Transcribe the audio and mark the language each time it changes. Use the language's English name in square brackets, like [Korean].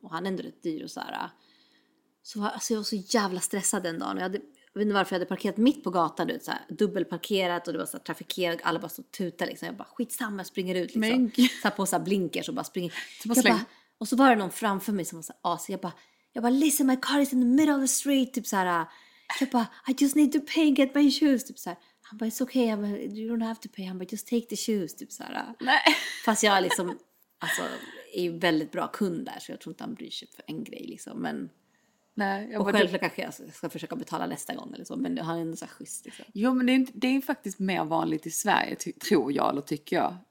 [Swedish] Och han är ändå rätt dyr och så här. Så alltså, jag var så jävla stressad den dagen. Jag vet inte varför jag hade parkerat mitt på gatan. Du, så här, dubbelparkerat och det var så här, trafikerat. Alla bara stod tuta liksom. Jag bara skitsamma, jag springer ut liksom. Så här, på så här blinkers och bara springer. Bara, och så var det någon framför mig som var så här asig. Jag bara, [English] listen, my car is in the middle of the street. [Swedish] Typ så här. Jag bara, [English] I just need to pay and get my shoes. [Swedish] Typ så här. Han bara, [English] it's okay, you don't have to pay. [Swedish] Han bara, [English] just take the shoes, [Swedish] typ såhär. Nej. Fast jag liksom, alltså, är ju väldigt bra kund där. Så jag tror inte han bryr sig för en grej, liksom. Men, nej, jag och bara, självklart kanske jag ska försöka betala nästa gång, eller så. Men han är ändå såhär schysst, liksom. Jo, men det är faktiskt mer vanligt i Sverige, tror jag, eller tycker jag.